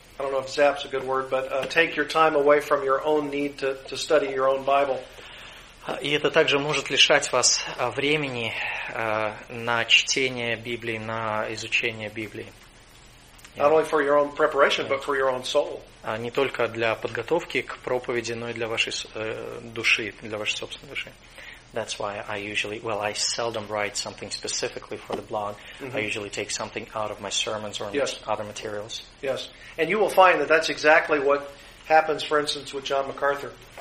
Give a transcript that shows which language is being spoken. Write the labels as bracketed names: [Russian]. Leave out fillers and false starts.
[English] I don't know if zap's a good word, but take your time away from your own need to study your own Bible. [Russian] И это также может лишать вас времени на чтение Библии, на изучение Библии. [English] Not only for your own preparation, but for your own soul. [Russian] Не только для подготовки к проповеди, но и для вашей души, для вашей собственной души. [English] That's why I usually, well, I seldom write something specifically for the blog. Mm-hmm. I usually take something out of my sermons or yes. other materials. Yes, and you will find that that's exactly what happens, for instance, with John MacArthur.